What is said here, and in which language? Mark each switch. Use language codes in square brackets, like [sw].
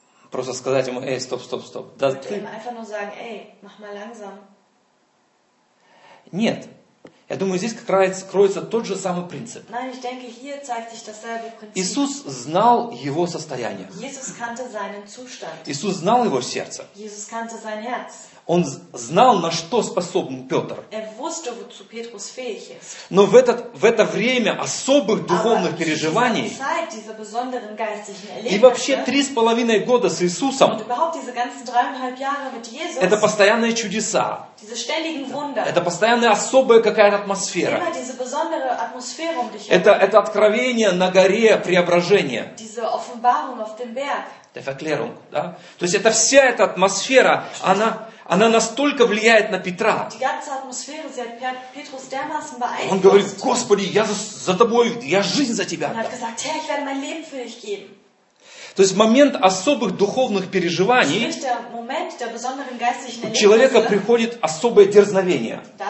[ru] Просто сказать ему, эй, стоп. Да, ты... [de] sagen, [ru] эй, [de] mach mal langsam. [ru] Нет. Я думаю, здесь как раз кроется тот же самый принцип. [de] Nein, ich denke, hier zeigt sich dasselbe Prinzip. [ru] Иисус знал его состояние. [de] Jesus kannte seinen Zustand. [ru] Иисус знал его сердце. [de] Jesus kannte sein Herz. [ru] Он знал, на что способен Петр. [de] Er wusste, wozu Petrus fähig ist. [ru] Но в это время особых духовных [de] Aber [ru] переживаний [de] Zeit, diese besonderen geistlichen Erlebnisse, [ru] и вообще 3,5 года с Иисусом [de] und überhaupt diese ganzen 3,5 Jahre mit Jesus, [ru] это постоянные чудеса. [de] Diese ständigen Wunder. [ru] Это постоянная особая какая-то атмосфера. [de] Immer diese besondere Atmosphäre um dich. [ru] Это откровение на горе преображения. [de] Diese Offenbarung auf dem Berg. Der Verklärung, да? [ru] То есть это вся эта атмосфера, она настолько влияет на Петра. [de] Die ganze Atmosphäre, sie hat Petrus dermaßen beeinflusst. [ru] Он говорит, Господи, я за тобой, я жизнь за тебя. Und [de] hat gesagt, Herr, ich werde mein Leben für dich geben. [ru] То есть в момент особых духовных переживаний у человека приходит особое дерзновение.